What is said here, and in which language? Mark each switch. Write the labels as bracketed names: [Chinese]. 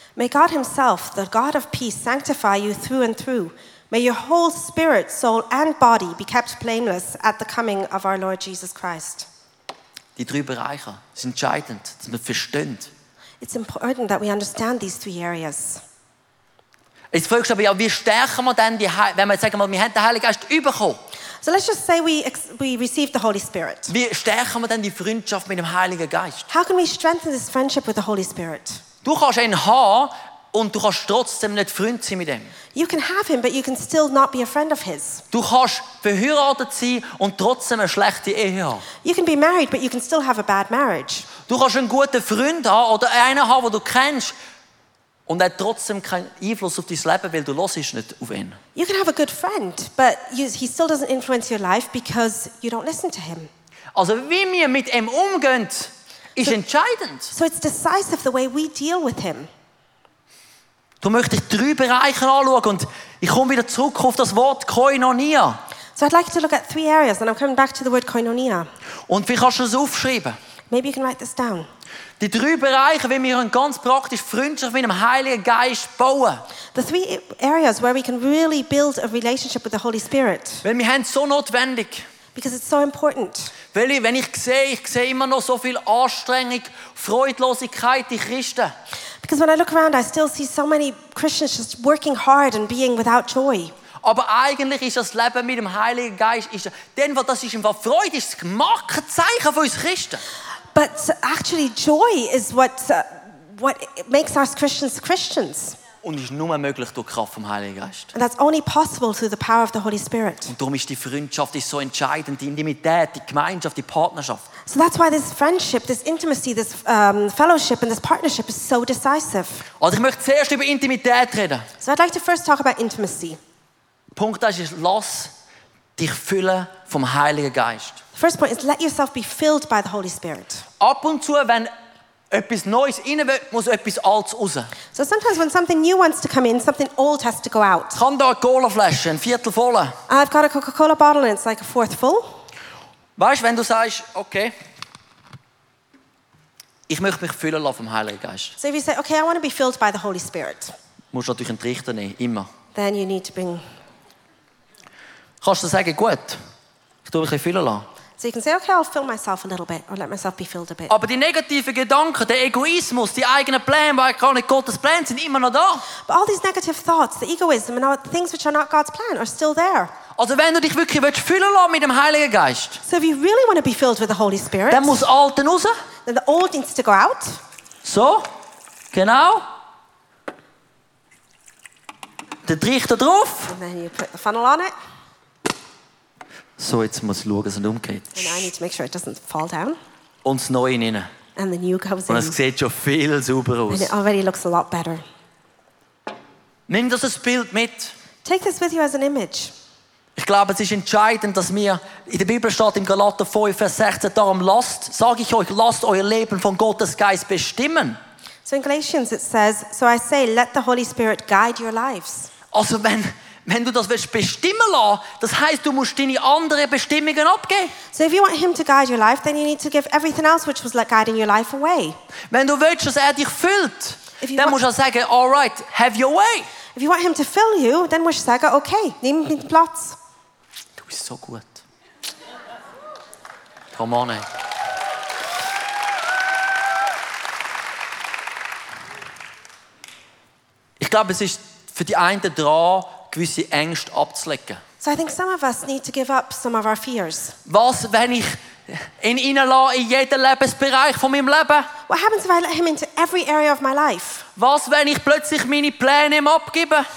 [English] May God himself, the God of peace, sanctify you through and through. May your whole spirit, soul and body be kept blameless at the coming of our Lord Jesus Christ. [German] Die drei Bereiche sind entscheidend, dass man versteht. [English] It's important that we understand these three areas. [German] Jetzt fragst du aber, ja, wie stärken wir denn, wenn wir sagen, wir haben den Heiligen Geist bekommen? [English] So let's just say we receive the Holy Spirit. [German] Wie stärken wir denn die Freundschaft mit dem Heiligen Geist? [English] How can we strengthen this friendship with the Holy Spirit? [German] Du kannst einen haben und du kannst trotzdem nicht Freund sein mit ihm. [English] You can have him, but you can still not be a friend of his. [German] Du kannst verheiratet sein und trotzdem eine schlechte Ehe haben. [English] You can be married, but you can still have a bad marriage. [German] Du kannst einen guten Freund haben oder einen haben, den du kennst, und er hat trotzdem keinen Einfluss auf dein Leben, weil du hörst nicht auf ihn. [English] You can have a good friend, but he still doesn't influence your life because you don't listen to him. [German] Also wie wir mit ihm umgehen, ist entscheidend. [English] So it's decisive the way we deal with him. [German] Du möchtest drei Bereiche anschauen und ich komme wieder zurück auf das Wort Koinonia. [English] So I'd like to look at three areas and I'm coming back to the word Koinonia. [German] Und wie kannst du das aufschreiben? [English] Maybe you can write this down. [German] Die drei Bereiche, wie wir ganz praktisch Freundschaft mit dem Heiligen Geist bauen. [English] The three areas where we can really build a relationship with the Holy Spirit. [German] Weil wir haben es so notwendig. [English] Because it's so important. [German] Weil ich, wenn ich sehe immer noch so viel Anstrengung, Freudlosigkeit in Christen. [English] Because when I look around, I still see so many Christians just working hard and being without joy. [German] Aber eigentlich ist das Leben mit dem Heiligen Geist, ist denn, was das ist, im Fall Freude, ist das Markenzeichen für uns Christen. [English] But actually, joy is what makes us Christians Christians. [German] Und ist nur möglich durch die Kraft vom Heiligen Geist. [English] And that's only possible through the power of the Holy Spirit. [German] Und darum ist die Freundschaft ist so entscheidend, die Intimität, die Gemeinschaft, die Partnerschaft. [English] So that's why this friendship, this intimacy, this fellowship and this partnership is so decisive. [German] Also ich möchte zuerst über Intimität reden. [English] So I'd like to first talk about intimacy. [German] Punkt 1 ist, lass dich füllen vom Heiligen Geist. [English] The first point is, let yourself be filled by the Holy Spirit. [German] Ab und zu, wenn etwas Neues rein will, muss etwas Altes raus. [English] So sometimes when something new wants to come in, something old has to go out. [German] Ich habe hier eine Cola-Flasche, ein Viertel voll. [English] I've got a Coca-Cola bottle and it's like a fourth full. [German] Weißt du, wenn du sagst, okay, ich möchte mich füllen lassen vom Heiligen Geist. [English] So if you say, okay, I want to be filled by the Holy Spirit. [German] Musst du natürlich einen Trichter nehmen, immer. [English] Then you need to bring... [German] Kannst du sagen, gut, ich tue mich ein füllen lassen. [English] So you can say, okay, I'll fill myself a little bit or let myself be filled a bit. [German] Aber die negativen Gedanken, der Egoismus, die eigenen Pläne, weil gar nicht Gottes Pläne sind, immer noch da. [English] But all these negative thoughts, the egoism and all the things which are not God's plan are still there. [German] Also wenn du dich wirklich willst füllen lassen mit dem Heiligen Geist. [English] So if you really want to be filled with the Holy Spirit. [German] Dann muss Alten raus. [English] Then the old needs to go out. [German] So, genau. Der Trichter drauf. [English] And then you put the funnel on it. [German] So, jetzt muss ich schauen, dass es nicht umgeht. [English] And I need to make sure it doesn't fall down. [German] Und das Neue rein. [English] And the new comes in. [German] Und es sieht schon viel sauberer aus. [English] And it already looks a lot better. [German] Nimm das als Bild mit. [English] Take this with you as an image. [German] Ich glaube, es ist entscheidend, dass wir, in der Bibel steht in Galater 5, Vers 16, darum lasst, sage ich euch, lasst euer Leben von Gottes Geist bestimmen. [English] So in Galatians it says, so I say, let the Holy Spirit guide your lives. [German] Also wenn... Wenn du das willst bestimmen lassen, das heisst, du musst deine anderen Bestimmungen abgeben. [English] So if you want him to guide your life, then you need to give everything else which was like guiding your life away. [German] Wenn du willst, dass er dich füllt, dann musst du sagen, [English] all right, have your way. If you want him to fill you, then [German] musst du sagen, okay, nimm den Platz. Du bist so gut. [English] Come on, ey. [German] Ich glaube, es ist für die einen dran, gewisse Ängste abzulegen. [English] So I think some of us need to give up some of our fears. [German] Was, wenn ich in ihn lassen, in jeden Lebensbereich von meinem Leben? [English] What happens if I let him into every area of my life? [German] Was, wenn ich plötzlich meine Pläne ihm abgebe?